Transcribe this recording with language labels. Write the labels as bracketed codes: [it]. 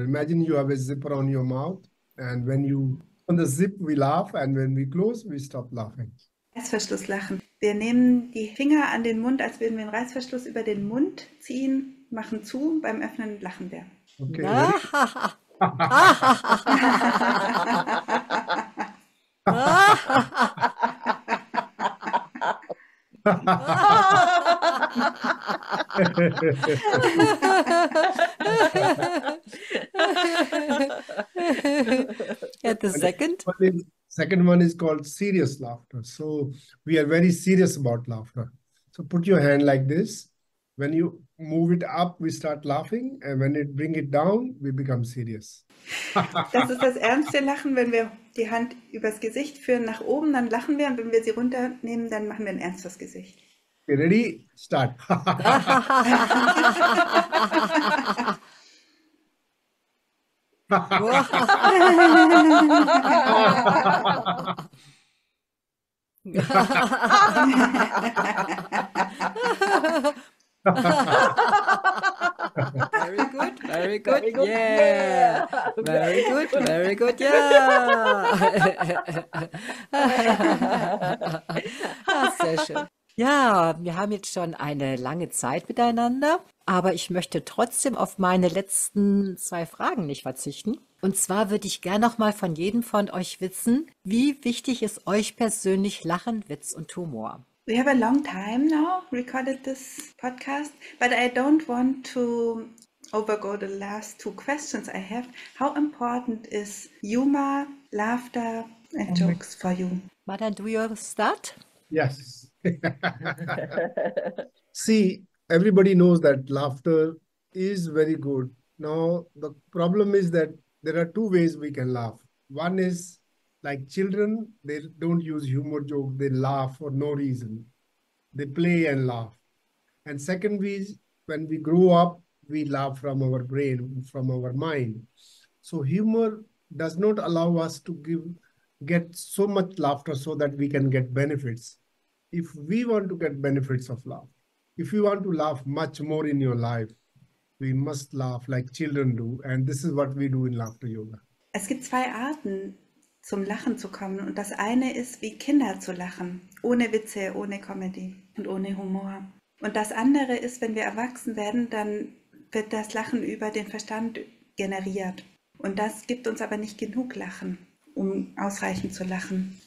[en] Imagine you have a zipper on your mouth and when you open the zip, we laugh and when we close, we stop laughing. [de] Reißverschlusslachen. Wir nehmen die Finger an den Mund, als würden wir einen Reißverschluss über den Mund ziehen, machen zu, beim Öffnen lachen wir. [en] Okay. At the second? Second one is called serious laughter. So we are very serious about laughter. So put your hand like this. When you move it up, we start laughing. And when it bring it down, we become serious. [de] Das ist das ernste Lachen. Wenn wir die Hand übers Gesicht führen nach oben, dann lachen wir. Und wenn wir sie runternehmen, dann machen wir ein ernstes Gesicht. [en] Okay, ready? Start. Very good, very good, yeah. Very good, very good, yeah. [de] Ah, sehr schön. Ja, wir haben jetzt schon eine lange Zeit miteinander, aber ich möchte trotzdem auf meine letzten zwei Fragen nicht verzichten. Und zwar würde ich gerne noch mal von jedem von euch wissen, wie wichtig ist euch persönlich Lachen, Witz und Humor? [en] We have a long time now recorded this podcast, but I don't want to overgo the last two questions I have. How important is humor, laughter and jokes for you? Madan, do you start? Yes. See, everybody knows that laughter is very good. Now, the problem is that there are two ways we can laugh. One is like children, they don't use humor joke. They laugh for no reason. They play and laugh. And second is when we grow up, we laugh from our brain, from our mind. So humor does not allow us to get so much laughter so that we can get benefits. If we want to get benefits of laugh, if you want to laugh much more in your life, we must laugh like children do. And this is what we do in laughter yoga. [de] Es gibt zwei Arten, zum Lachen zu kommen. Und das eine ist, wie Kinder zu lachen, ohne Witze, ohne Comedy und ohne Humor. Und das andere ist, wenn wir erwachsen werden, dann wird das Lachen über den Verstand generiert. Und das gibt uns aber nicht genug Lachen, um ausreichend zu lachen.